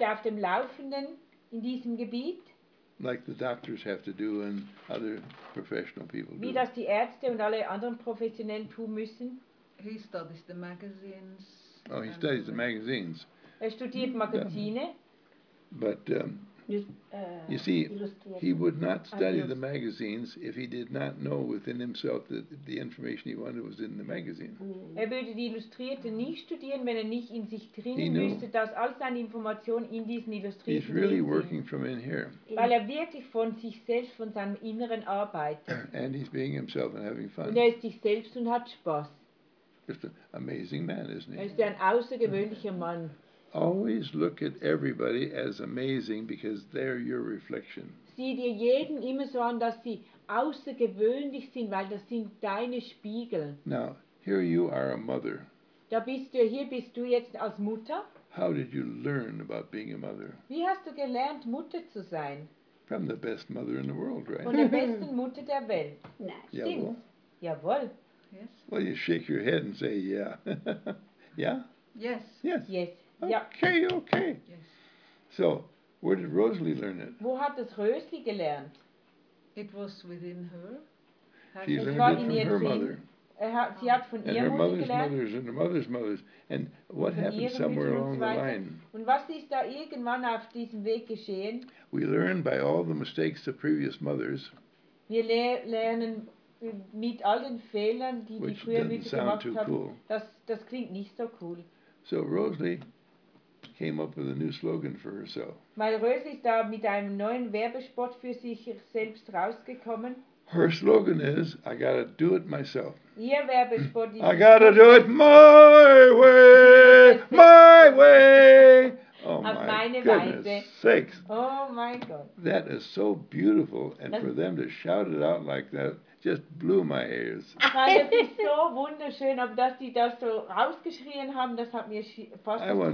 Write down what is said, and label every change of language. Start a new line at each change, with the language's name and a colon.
German: er auf dem Laufenden in diesem Gebiet?
English: Like the doctors have to do and other professional people do.
German: Wie das die Ärzte und alle anderen Professionellen tun müssen.
English: He studies the magazines. Oh, he studies the magazines.
German: Er studiert Magazine.
English: But you see, he would not study the magazines if he did not know within himself that the information he wanted was in the magazine.
German: Er würde die Illustrierten nicht studieren, wenn er nicht in sich drin wüsste, dass all seine Informationen in diesen Illustrierten sind.
English: He's really working from in here.
German: Weil er wirklich von sich selbst, von seinem Inneren arbeitet.
English: And he's being himself and having fun.
German: Und er ist sich selbst und hat Spaß.
English: Just an amazing man, isn't he?
German: Er ist ein außergewöhnlicher Mann.
English: always look at everybody as amazing because they're your reflection.
German: Sieh dir jeden immer so an, dass sie außergewöhnlich sind, weil das sind deine Spiegel.
English: Now, here you are a mother.
German: Da bist du, hier bist du jetzt als Mutter.
English: How did you learn about being a mother?
German: Wie hast du gelernt, Mutter zu sein?
English: From the best mother in the world, right?
German: Von der besten Mutter der Welt. Na, stimmt's? Jawohl.
English: Yes. Well, you shake your head and say, yeah. Yeah? Yes. Okay. Yes. So, where did Rosalie learn it?
German: Wo hat das Rosalie gelernt?
English: It was within her. She learned it from her mother.
German: Sie hat von ihrer Mutter gelernt.
English: And her mother's mothers and what happened somewhere along the line.
German: Und was ist da irgendwann auf diesem Weg geschehen?
English: We learn by all the mistakes of previous mothers.
German: Wir lernen mit all den Fehlern, die die frühe Mütter gemacht haben. Das klingt nicht so cool.
English: So Rosalie came up with a new slogan for herself.
German: Weil Rosalie ist da mit einem neuen Werbespot für sich selbst rausgekommen.
English: Her slogan is, I gotta do it myself.
German: Ihr Werbespot ist,
English: I gotta do it my way, my way. Oh my goodness sakes. Oh my God. That is so beautiful, and for them to shout it out like that just blew my ears.
German: Das ist so wunderschön, aber dass die das so rausgeschrien haben, das hat mir fast das Kommen verletzt.